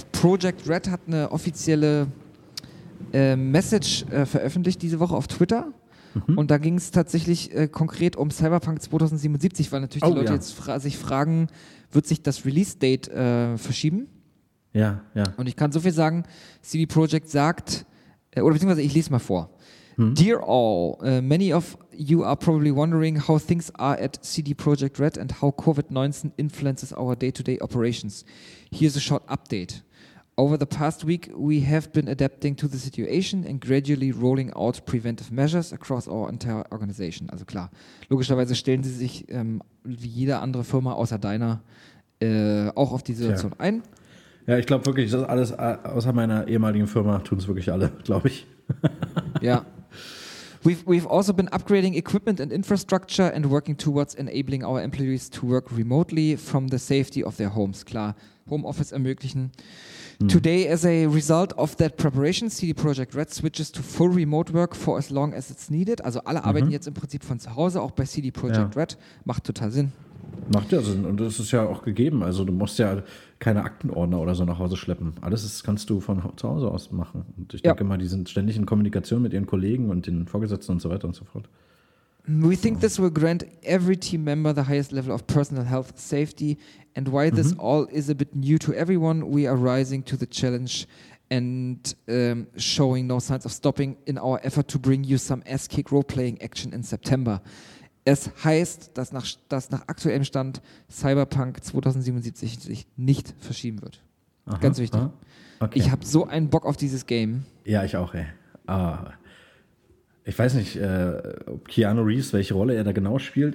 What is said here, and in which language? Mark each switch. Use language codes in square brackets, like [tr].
[de] Project Red hat eine offizielle Message veröffentlicht diese Woche auf Twitter. Mhm. Und da ging es tatsächlich konkret um Cyberpunk 2077, weil natürlich die Leute jetzt sich fragen, wird sich das Release-Date verschieben? Ja, ja. Und ich kann so viel sagen, CD Projekt sagt, oder beziehungsweise ich lese mal vor. Mhm. [en] Dear all, many of you are probably wondering how things are at CD Projekt Red and how COVID-19 influences our day-to-day operations. Here's a short update. Over the past week, we have been adapting to the situation and gradually rolling out preventive measures across our entire organization. [de] Also klar, logischerweise stellen sie sich wie jede andere Firma außer deiner auch auf die Situation ein. Ja, ich glaube wirklich, das alles außer meiner ehemaligen Firma tun es wirklich alle, glaube ich. Ja. [en] We've also been upgrading equipment and infrastructure and working towards enabling our employees to work remotely from the safety of their homes. [de] Klar, Homeoffice ermöglichen. [en] Today, as a result of that preparation, CD Projekt Red switches to full remote work for as long as it's needed. [de] Also alle arbeiten jetzt im Prinzip von zu Hause, auch bei CD Projekt Red. Macht total Sinn. Macht ja Sinn, und das ist ja auch gegeben. Also du musst ja keine Aktenordner oder so nach Hause schleppen. Alles das kannst du von zu Hause aus machen. Und ich denke mal, die sind ständig in Kommunikation mit ihren Kollegen und den Vorgesetzten und so weiter und so fort. [en] We think this will grant every team member the highest level of personal health safety. And while this all is a bit new to everyone, we are rising to the challenge and showing no signs of stopping in our effort to bring you some S-Kick role-playing action in September. [de] Es heißt, dass nach aktuellem Stand Cyberpunk 2077 nicht verschieben wird. Aha, ganz wichtig. Okay. Ich habe so einen Bock auf dieses Game. Ja, ich auch, ey. Ich weiß nicht, ob Keanu Reeves, welche Rolle er da genau spielt.